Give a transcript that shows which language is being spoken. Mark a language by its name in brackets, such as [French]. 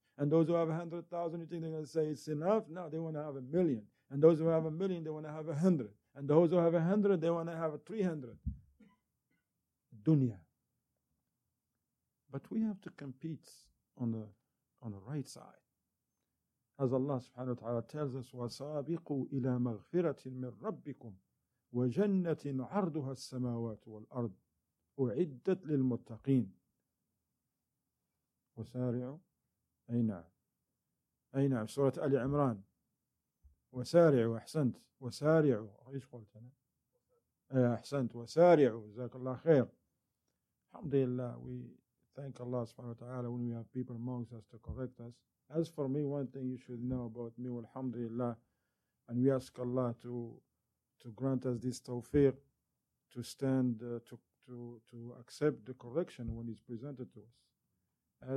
[English] And those who have 100,000, you think they're going to say it's enough? No, they want to have 1,000,000. And those who have 1,000,000, they want to have 100. And those who have 100, they want to have 300. Dunya. But we have to compete on the right side. As Allah subhanahu wa ta'ala tells us, [Arabic] وَسَابِقُوا إِلَى مَغْفِرَةٍ مِّن رَبِّكُمْ وَجَنَّةٍ عَرْضُهَا السَّمَاوَاتُ وَالْأَرْضُ أُعِدَّتْ لِلْمُتَّقِينَ وَسَارِعُوا أَيْنَا سورة آل عمران وَسَارِعُوا أحسنت وَسَارِعُوا إيش قلت أنا أحسنت وَسَارِعُوا جزاك الله خير الحمد لله. [English] We thank Allah subhanahu wa ta'ala when we have people amongst us to correct us. As for me, one thing you should know about me, alhamdulillah, and we ask Allah to grant us this tawfiq to stand to accept the correction when it's presented to us.